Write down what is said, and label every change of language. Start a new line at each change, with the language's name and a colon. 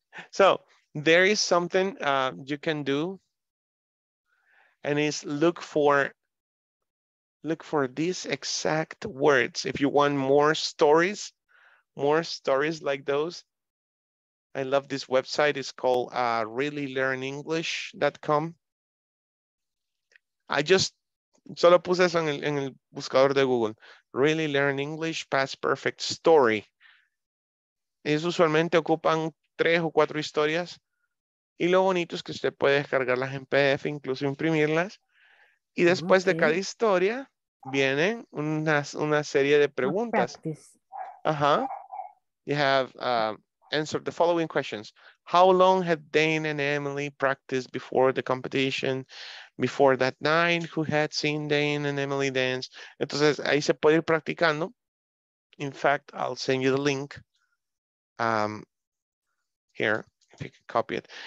English: So there is something you can do, and is look for these exact words. If you want more stories like those, I love this website. It's called reallylearnenglish.com. I just
Spanish: solo puse eso en el buscador de Google.
English: Really learn English past perfect story.
Spanish: Es usualmente ocupan 3 o 4 historias. Y lo bonito es que usted puede descargarlas en PDF, incluso imprimirlas. Y después de cada historia, vienen una serie de preguntas.
English: You have answered the following questions. How long had Dane and Emily practiced before the competition? Before that night, who had seen Dane and Emily dance?
Spanish: Entonces, ahí se puede ir practicando.
English: In fact, I'll send you the link here, if you can copy it.